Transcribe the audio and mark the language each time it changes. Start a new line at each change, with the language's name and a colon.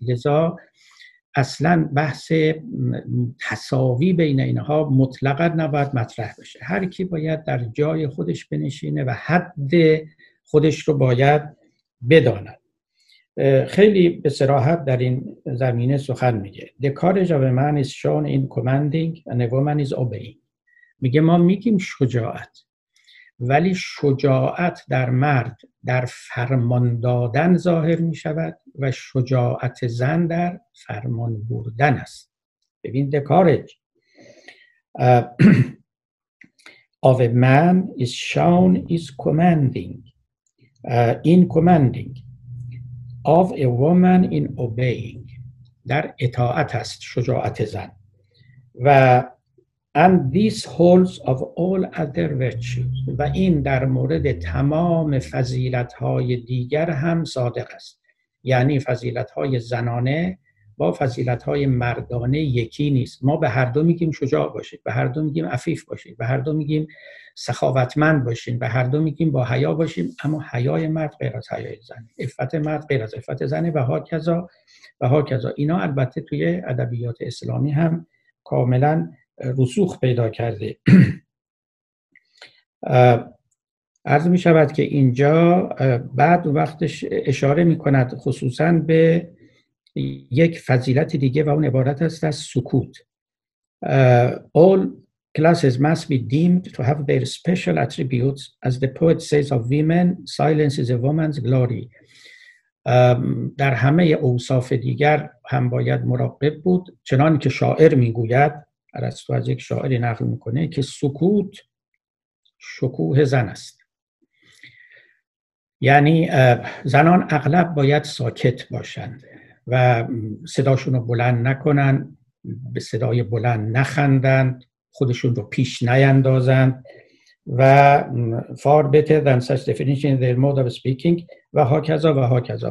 Persian: لذا اصلا بحث تساوی بین اینها مطلقا نباید مطرح بشه. هر کی باید در جای خودش بنشینه و حد خودش رو باید بداند. خیلی به صراحت در این زمینه سخن میگه.
English: The courage of a man is shown in commanding and a woman is obeying.
Persian: میگه ما میگیم شجاعت، ولی شجاعت در مرد در فرمان دادن ظاهر می شود و شجاعت زن در فرمان بردن است. ببین
English: the courage of a man is shown is commanding in commanding of a woman in obeying.
Persian: در اطاعت است شجاعت زن.
English: و and this holds of all other virtues.
Persian: و این در مورد تمام فضیلت‌های دیگر هم صادق است. یعنی فضیلت‌های زنانه با فضیلت‌های مردانه یکی نیست. ما به هر دو میگیم شجاع باشید، به هر دو میگیم عفیف باشید، به هر دو میگیم سخاوتمند باشید، به هر دو میگیم با حیا باشیم، اما حیای مرد غیر از حیای زن، عفت مرد غیر از عفت زن، و هاکذا و هاکذا. اینا البته توی ادبیات اسلامی هم کاملا رسوخ پیدا کرده. عرض می شود که اینجا بعد وقتش اشاره می کند خصوصا به یک فضیلت دیگه و اون عبارت است از سکوت.
English: All classes must be deemed to have their special attributes. As the poet says of women, silence is a woman's glory.
Persian: در همه اوصاف دیگر هم باید مراقب بود، چنان که شاعر می گوید، ارسطو از یک شاعری نقل میکنه که سکوت شکوه زن است. یعنی زنان اغلب باید ساکت باشند و صداشون رو بلند نکنند، به صدای بلند نخندند، خودشون رو پیش نیندازند و
English: far better than such definition in their mode of speaking
Persian: و هاکذا و هاکذا.